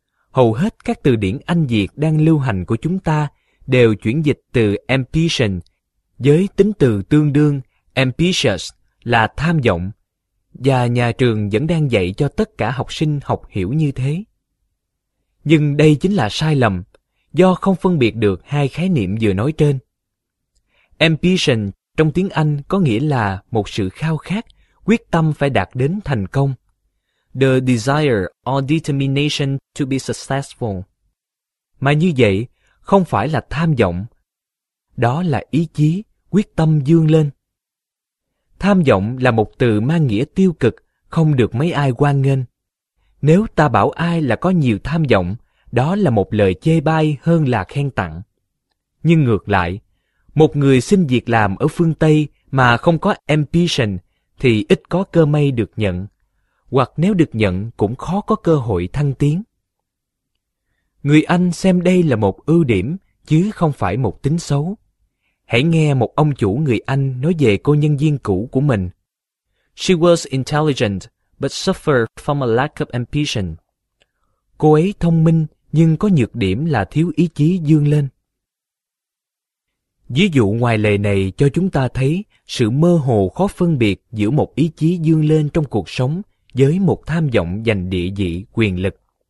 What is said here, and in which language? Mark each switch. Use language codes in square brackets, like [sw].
[vi] Hầu hết các từ điển Anh Việt đang lưu hành của chúng ta đều chuyển dịch từ ambition với tính từ tương đương ambitious là tham vọng, và nhà trường vẫn đang dạy cho tất cả học sinh học hiểu như thế. Nhưng đây chính là sai lầm, do không phân biệt được hai khái niệm vừa nói trên. Ambition trong tiếng Anh có nghĩa là một sự khao khát, quyết tâm phải đạt đến thành công. [en] The desire or determination to be successful. [vi] Mà như vậy, không phải là tham vọng. Đó là ý chí, quyết tâm vươn lên. Tham vọng là một từ mang nghĩa tiêu cực, không được mấy ai hoan nghênh. Nếu ta bảo ai là có nhiều tham vọng, đó là một lời chê bai hơn là khen tặng. Nhưng ngược lại, một người xin việc làm ở phương Tây mà không có ambition thì ít có cơ may được nhận, hoặc nếu được nhận cũng khó có cơ hội thăng tiến. Người Anh xem đây là một ưu điểm chứ không phải một tính xấu. Hãy nghe một ông chủ người Anh nói về cô nhân viên cũ của mình. [en] She was intelligent but suffered from a lack of ambition. [vi] Cô ấy thông minh nhưng có nhược điểm là thiếu ý chí vươn lên. Ví dụ ngoài lề này cho chúng ta thấy sự mơ hồ khó phân biệt giữa một ý chí vươn lên trong cuộc sống với một tham vọng giành địa vị, quyền lực.